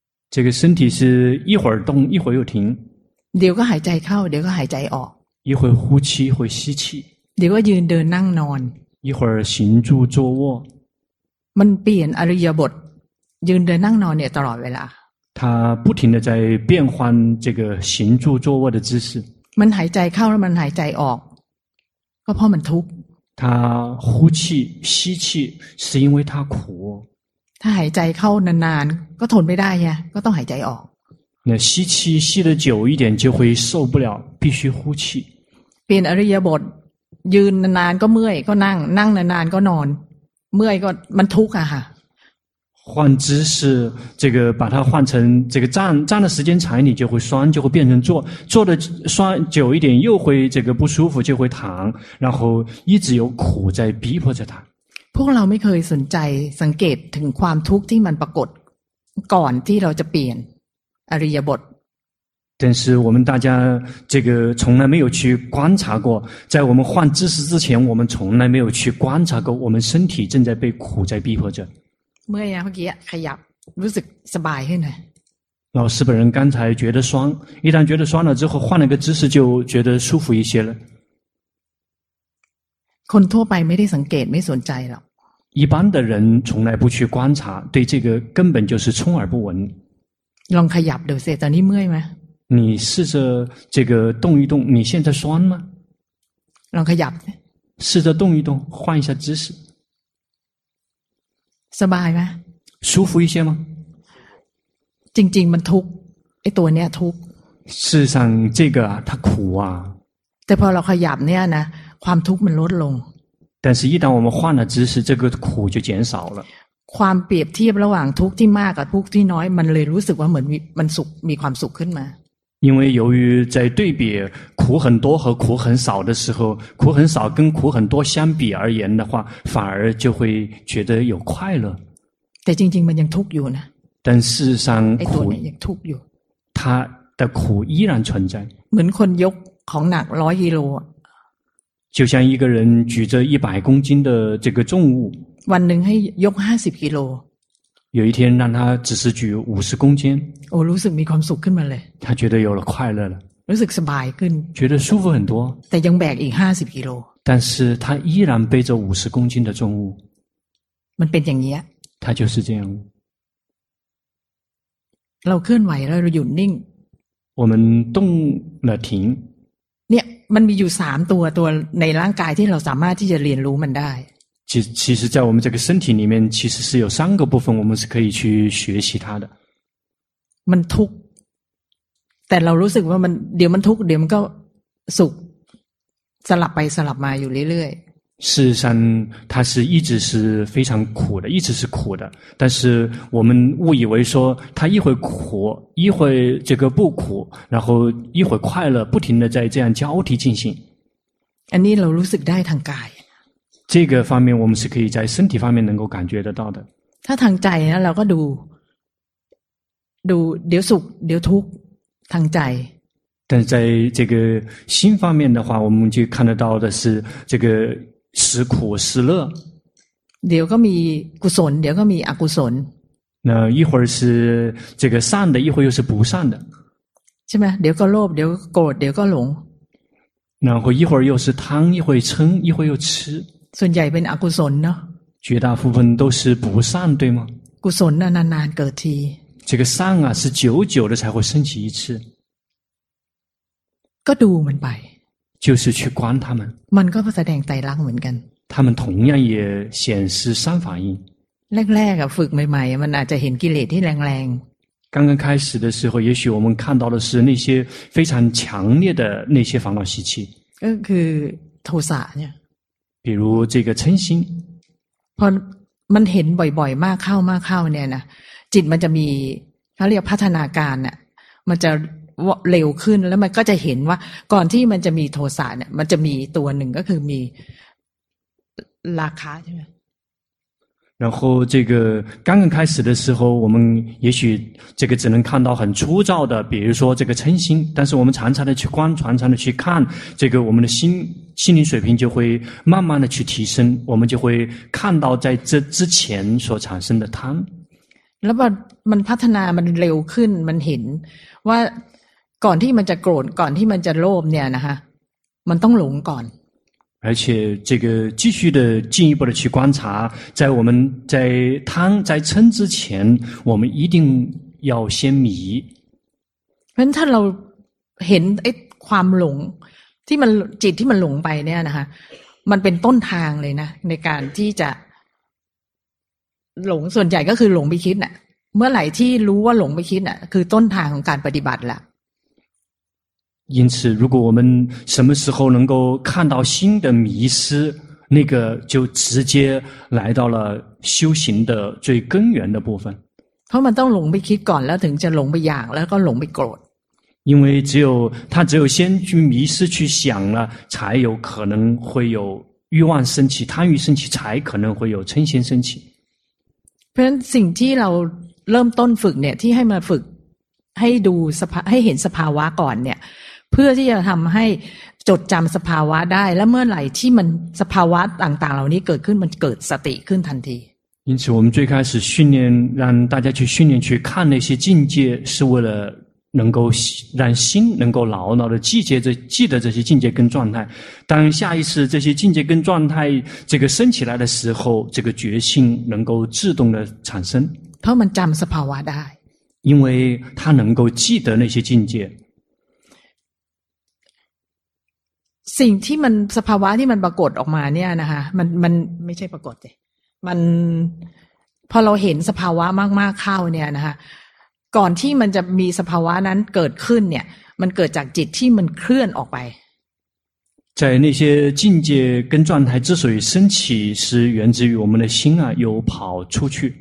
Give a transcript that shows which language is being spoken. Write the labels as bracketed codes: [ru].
[zh] 这个身体是一会儿动一会儿又停。 [th] เดี๋ยวก็หายใจเข้าเดี๋ยวก็หายใจออก [zh] 一会呼气会吸气 [th] เดี๋ยวก็ยืนเดินนั่งนอน [zh] 一会儿行住坐卧 [th] มันเปลี่ยนอริยบทยืนเดินนั่งนอนเนี่ยตลอดเวลา [zh] 它不停的在变换这个行住坐卧的姿势 [th] มันหายใจเข้าแล้วมันหายใจออกก็เพราะมันทุกข์ [zh] 它呼气吸气是因为它苦 [th] ถ้าหายใจเข้านานๆก็ทนไม่ได้ไงก็ต้องหายใจออก นะ [zh] 吸气吸的久一点就会受不了必须呼气 [th] เปลี่ยนอริยบทยืนนานๆก็เมื่อยก็นั่งนั่งนานๆก็นอนเมื่อยก็มันทุกข์อ่ะค่ะ [zh] 换姿势这个把它换成这个站站的时间长你就会酸就会变成坐坐的酸久一点又会这个不舒服就会躺然后一直有苦在逼迫着它 [th] พวกเราไม่เคยสนใจสังเกตถึงความทุกข์ที่มันปรากฏก่อนที่เราจะเปลี่ยนอริยบท [zh] 但是我们大家这个从来没有去观察过在我们换姿势之前我们从来没有去观察过我们身体正在被苦在逼迫着 [th] เมื่อยังเมื่อกี้ขยับรู้สึกสบายขึ้นไหม [zh] 老师本人刚才觉得酸一旦觉得酸了之后换了个姿势就觉得舒服一些了 [th] คนทั่วไปไม่ได้สังเกตไม่สนใจหรอก [zh] 一般的人从来不去观察对这个根本就是充耳不闻 [th] ลองขยับดูสิตอนนี้เมื่อยไหม [zh] 你试着这个动一动你现在酸吗 [th] ลองขยับ [zh] 试着动一动换一下姿势 [th] สบายไหม [zh] 舒服一些吗 [th] จริงๆมันทุกข์ไอ้ตัวเนี้ยทุกข์ [zh] 事实上这个啊它苦啊 [th] แต่พอเราขยับเนี่ยนะความทุกข์มันลดลง [zh] 但是一旦我们换了姿势这个苦就减少了 [th] ความเปรียบเทียบระหว่างทุกข์ที่มากกับทุกข์ที่น้อยมันเลยรู้สึกว่าเหมือนมันสุขมีความสุขขึ้นมา [zh] 因为由于在对比苦很多和苦很少的时候苦很少跟苦很多相比而言的话反而就会觉得有快乐 [th] แต่จริงๆมันยังทุกข์อยู่นะ [zh] 但事实上 [th] ไอ้ตัวนี้ยังทุกข์อยู่ [zh] 它的苦依然存在 [th] เหมือนคนยกของหนัก100กิโล [zh] 就像一个人举着100公斤的这个重物 [th] วันหนึ่งให้ยก50กิโล [zh] 有一天让他只是举50公斤 [th] โอ้รู้สึกมีความสุขขึ้นมาเลย [zh] 他觉得有了快乐了 [th] รู้สึกสบายขึ้น [zh] 觉得舒服很多 [th] แต่ยังแบกอีก50กิโล [zh] 但是他依然背着50公斤的重物 [th] มันเป็นอย่างนี้ [zh] 他就是这样 [th] เราเคลื่อนไหวแล้วเราหยุดนิ่ง [zh] 我们动了停 [th] เนี่ยมันมีอยู่3ตัวตัวในร่างกายที่เราสามารถที่จะเรียนรู้มันได้ [zh] 其实在我们这个身体里面其实是有三个部分我们是可以去学习它的 [th] มันทุกข์แต่เรารู้สึกว่ามันเดี๋ยวมันทุกข์เดี๋ยวมันก็สุขสลับไปสลับมาอยู่เรื่อย [zh] ๆ事实上它是一直是非常苦的一直是苦的但是我们误以为说它一会苦一会这个不苦然后一会快乐不停的在这样交替进行 [th] อันนี้เรารู้สึกได้ทางกาย [zh] 这个方面我们是可以在身体方面能够感觉得到的 [th] ถ้าทางใจนะเราก็ดูเดี๋ยวสุขเดี๋ยวทุกข์ทางใจ [zh] 但是在这个心方面的话我们就看得到的是这个时苦时乐 [th] เดี๋ยวก็มีกุศลเดี๋ยวก็มีอกุศล [zh] 那一会儿是这个善的一会儿又是不善的 [th] ใช่ไหมเดี๋ยวก็โลภเดี๋ยวก็โกรธเดี๋ยวก็หลง [zh] 然后一会儿又是贪一会儿嗔一会儿又痴 [th] ส่วนใหญ่เป็นอกุศลเนาะ [zh] 绝大部分都是不善对吗 [th] กุศลนานๆเกิดที [zh] 这个善啊是久久的才会升起一次 [th] ก็ดูมันไป [zh] 就是去观他们 [th] มันก็แสดงไตรลักษณ์เหมือนกัน [zh] 他们同样也显示三反应 [th] แรกๆอ่ะฝึกใหม่ๆมันอาจจะเห็นกิเลสที่แรง [zh] ๆ刚刚开始的时候也许我们看到的是那些非常强烈的那些烦恼习气 [th] ก็คือโทสะเนี่ย [zh] 比如这个嗔心 [th] พอมันเห็นบ่อยๆมากเข้ามากเข้าเนี่ยนะจิตมันจะมีเขาเรียกพัฒนาการน่ะมันจะ เร็วขึ้นแล้วมันก็จะเห็นว่าก่อนที่มันจะมีโทสะเนี่ยมันจะมีตัวหนึ่งก็คือมีราคะใช่ไหม [zh] 然后这个刚刚开始的时候，我们也许这个只能看到很粗糙的，比如说这个嗔心，但是我们常常的去观，常常的去看，这个我们的心灵水平就会慢慢的去提升，我们就会看到在这之前所产生的贪。 [th] แล้วมันพัฒนามันเร็วขึ้นมันเห็นว่าก่อนที่มันจะโกรธก่อนที่มันจะโลภเนี่ยนะฮะมันต้องหลงก่อน [zh] 而且这个继续的进一步的去观察在我们在贪在嗔之前我们一定要先迷 [th] เพราะถ้าเราเห็นไอ้ความหลงที่มันจิตที่มันหลงไปเนี่ยนะฮะมันเป็นต้นทางเลยนะในการที่จะหลงส่วนใหญ่ก็คือหลงไปคิดน่ะเมื่อไหร่ที่รู้ว่าหลงไปคิดน่ะคือต้นทางของการปฏิบัติละ [zh] 因此如果我们什么时候能够看到心的迷失那个就直接来到了修行的最根源的部分 [th] เพราะมันต้องหลงไปคิดก่อนแล้วถึงจะหลงไปอย่างแล้วก็หลงไปโกรธ [zh] 因为他只有先去迷失去想了才有可能会有欲望升起贪欲升起才可能会有嗔心升起 [th] เพราะฉะนั้นสิ่งที่เราเริ่มต้นฝึกเนี่ยที่ให้มาฝึกให้ดูให้เห็นสภาวะก่อนเนี่ยเพื่อที่จะทำให้จดจำสภาวะได้และเมื่อไหร่ที่มันสภาวะต่างๆเหล่านี้เกิดขึ้นมันเกิดสติขึ้นทันที [zh] 因此我们最开始训练让大家去训练去看那些境界是为了能够让心能够牢牢的记得这些境界跟状态当下一次这些境界跟状态这个升起来的时候这个觉性能够自动的产生 [th] เพราะมันจำสภาวะได้ [zh] 因为他能够记得那些境界 [th] สิ่งที่มันสภาวะที่มันปรากฏออกมาเนี่ยนะฮะมันไม่ใช่ปรากฏเลยมันพอเราเห็นสภาวะมากๆเข้าเนี่ยนะฮะก่อนที่มันจะมีสภาวะนั้นเกิดขึ้นเนี่ยมันเกิดจากจิตที่มันเคลื่อนออกไป [zh] 在那些境界跟状态之所以升起是源自于我们的心啊有跑出去